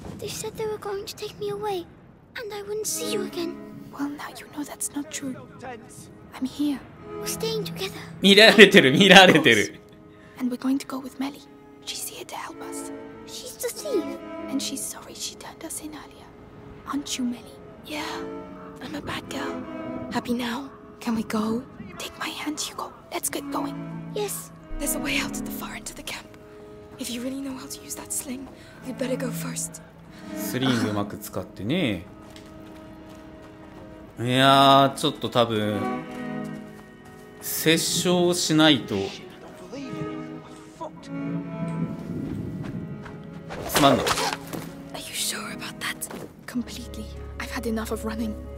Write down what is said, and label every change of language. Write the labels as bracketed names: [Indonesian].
[English] They said they were going to take me away, and I wouldn't see you again. Well, now you know that's not true. I'm here. We're staying together. [Japanese] 見られてる、見られてる。 [English] And we're going to go with Melly. She's here to help us. She's the thief. And she's sorry she turned us in earlier. Aren't you, Melly? Yeah. I'm a bad girl. Happy now? Can we go? Take my hand, Hugo. Let's get going. Yes. There's a way out at the far end of the camp. If you really know how to use that sling, you'd better go first. [Japanese] スリングうまく使ってね。いやー、ちょっと多分接触しないと。すまんの。 [English] Are you sure about that? Completely. I've had enough of running.